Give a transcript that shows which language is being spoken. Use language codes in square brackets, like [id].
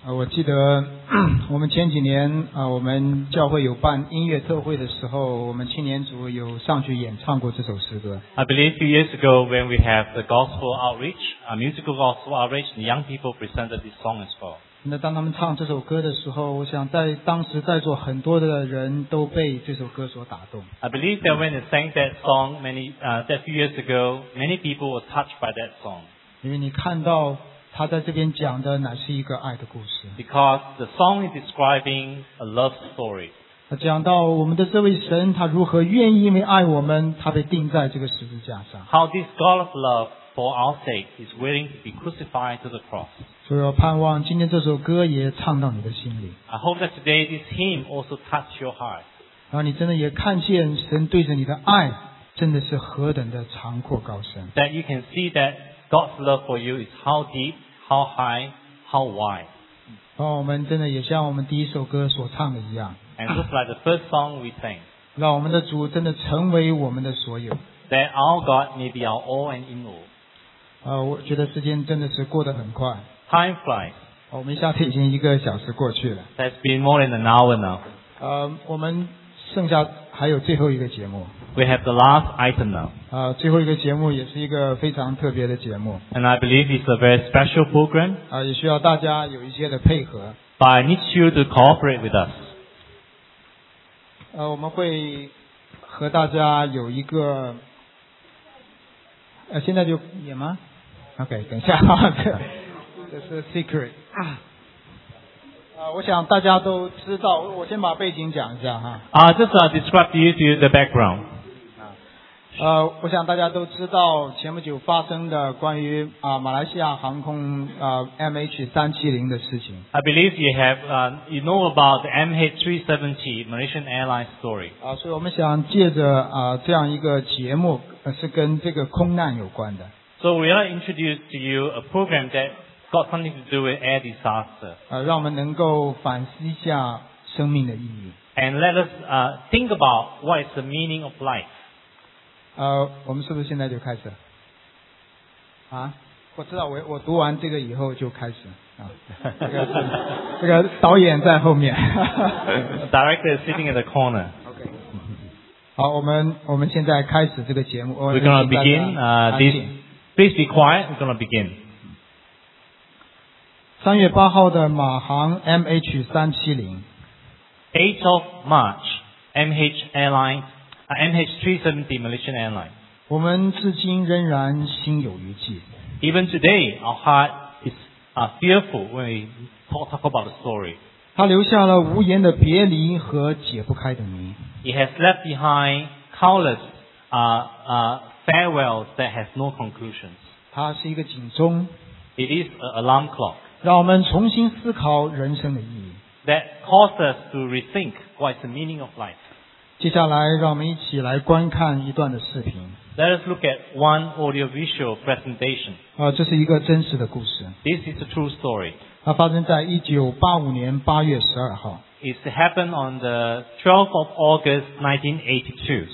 [zh] 记得我们前几年啊，我们教会有办音乐特会的时候，我们青年组有上去演唱过这首诗歌。 [en] I believe a few years ago when we have the gospel outreach, a musical gospel outreach, the young people presented this song as well. [zh] 那当他们唱这首歌的时候，我想在当时在座很多的人都被这首歌所打动。 [en] I believe that when they sang that song that few years ago, many people were touched by that song. [zh] 因为你看到。他在这边讲的乃是一个爱的故事。 [en] Because the song is describing a love story. [zh] 他讲到我们的这位神，他如何愿意因为爱我们，他被钉在这个十字架上。 [en] How this God of love for our sake is willing to be crucified to the cross. [zh] 所以我盼望今天这首歌也唱到你的心里。 [en] I hope that today this hymn also touched your heart. [zh] 然后你真的也看见神对着你的爱真的是何等的长阔高深。 [en] That you can see thatGod's love for you is how deep, how high, how wide. [zh] 让我们真的也像我们第一首歌所唱的一样。 [en] And just like the first song we sang. [zh] 让我们的主真的成为我们的所有。 [en] That our God may be our all and in all. [zh] 我觉得时间真的是过得很快。 [en] Time flies. [zh] 我们一下子已经一个小时过去了。 [en] That's been more than an hour now. [zh] 我们剩下还有最后一个节目。 [en] We have the last item now. [zh] 最后一个节目也是一个非常特别的节目。 [en] And I believe it's a very special program. [zh] 也需要大家有一些的配合。 [en] But I need you to cooperate with us. [zh] 我们会和大家有一个，现在就演吗 ？OK， 等一下，这是 secret。我想大家都知道，我先把背景讲一下哈。 [en] Just describe to you the background. [zh] 我想大家都知道前不久发生的关于马来西亚航空MH370 的事情。 [en] I believe you have, you know about the MH370 Malaysian Airlines story. [zh] 所以我们想借着这样一个节目是跟这个空难有关的。 [en] So we are introduced to you a program that got something to do with air disaster. [zh] 让我们能够反思一下生命的意义。 [en] And let us, think about what is the meaning of life. [zh] 我们是不是现在就开始？啊，我知道，我读完这个以后就开始啊。这个导演在后面。 [en] Director is sitting in the corner. Okay. [zh] 好，我们现在开始这个节目。 [en] We're gonna begin. Please be quiet. We're gonna begin. [zh] 3月8号的马航 MH370。 [en] 8th of March, MH Airline, MH370 Malaysian Airline. [zh] 我们至今仍然心有余悸。 [en] Even today, our heart is fearful when we talk about the story. [zh] 他留下了无言的别离和解不开的谜。 [en] He has left behind countless farewells that has no conclusions. [zh] 他是一个警钟。 [en] It is an alarm clock. [zh] 让我们重新思考人生的意义。 [en] That caused us to rethink what is the meaning of life. [zh] 接下来让我们一起来观看一段的视频。 [en] Let us look at one audiovisual presentation. [zh] 这是一个真实的故事。 [en] This is a true story. [zh] 它发生在1985年8月12号。 [en] It happened on the 12th of August 1982.